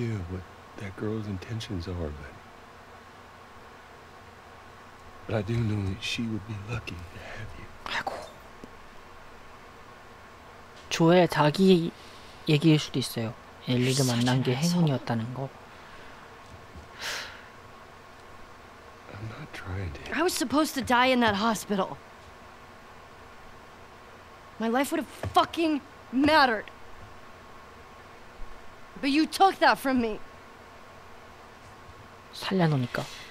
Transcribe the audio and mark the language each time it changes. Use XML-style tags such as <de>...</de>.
<en>What that girl's intentions are, but I do know that she would be lucky to have you.</en> <ko>아이고, 조엘 자기 얘기일 수도 있어요. 엘리를 만난 게 행운이었다는 거.</ko> <en>I'm not trying to. I was supposed to die in that hospital. My life would have fucking mattered. But you took that from me.</en> <ko>살려놓으니까.</ko>